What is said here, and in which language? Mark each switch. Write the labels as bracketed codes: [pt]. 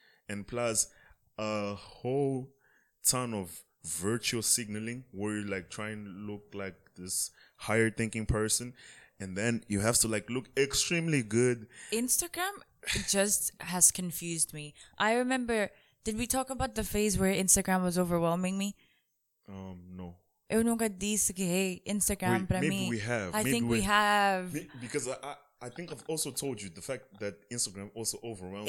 [en] And plus, a whole ton of virtual signaling, where you like try and look like this higher thinking person, and then you have to like look extremely good. Instagram just has confused me. I remember, did we talk about the phase where Instagram was overwhelming me? No. [pt] Eu nunca disse que hey, Instagram para mim. [en] Maybe we have. I think we have. Because I think I've also told you the fact that Instagram also overwhelmed